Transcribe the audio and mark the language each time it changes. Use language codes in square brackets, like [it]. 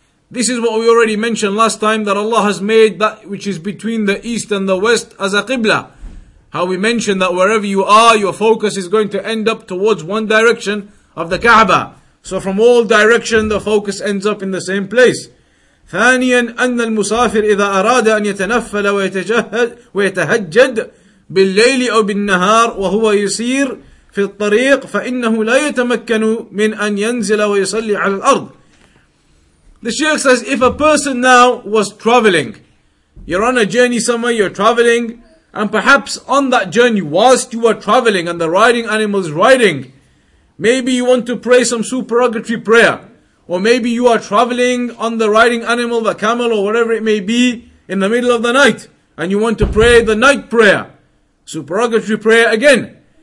[en] This is what we already mentioned last time, that Allah has made that which is between the east and the west as a qibla. How we mentioned that wherever you are, your focus is going to end up towards one direction of the Kaaba. So from all direction, the focus ends up in the same place. [ar] ثانياً أَنَّ الْمُسَافِرِ إِذَا أَرَادَ أَنْ يَتَنَفَّلَ وَيَتَهَجَّدْ بالليل أو بالنهار وهو يسير في الطريق فإنه لا يتمكن من أن ينزل ويصلي على الأرض. [en] The Shaykh says, if a person now was traveling, you're on a journey somewhere, you're traveling, and perhaps on that journey, whilst you are traveling and the riding animal is riding, maybe you want to pray some supererogatory prayer, or maybe you are traveling on the riding animal, the camel or whatever it may be, in the middle of the night, and you want to pray the night prayer, supererogatory prayer again.